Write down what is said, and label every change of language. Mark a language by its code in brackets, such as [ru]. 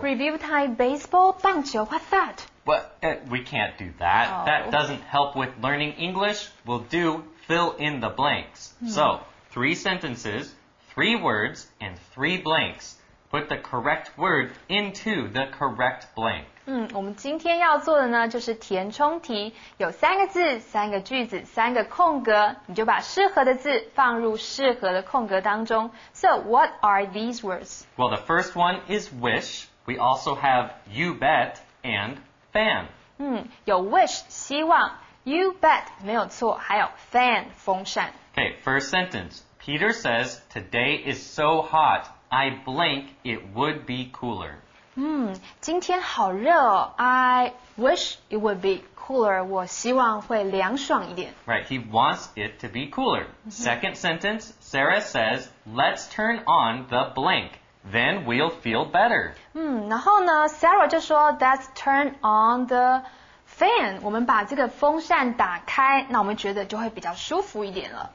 [en] Review time baseball? 棒球, what's that? We can't do that. Oh. That doesn't help with learning English. We'll do fill in the blanks. So, three sentences, three words, and three blanks. Put the correct word into the correct blank. [zh] 我们今天要做的呢就是填充题，有三个字、三个句子、三个空格，你就把适合的字放入适合的空格当中。 [en] So, what are these words? Well, the first one is wish. We also have you bet and fan. [zh] 有 wish, 希望 you bet, 没有错，还有 fan, 风扇。 [en] Okay, first sentence. Peter says, today is so hot, I blank it would be cooler. [zh] 今天好热哦。 [en] I wish it would be cooler. [zh] 我希望会凉爽一点。 [en] Right, he wants it to be cooler. Second sentence, Sarah says, let's turn on the blank, then we'll feel better. [zh] 然后呢 [en] ,Sarah [zh] 就说 [en] let's turn on the fan. [zh] 我们把这个风扇打开，那我们觉得就会比较舒服一点了。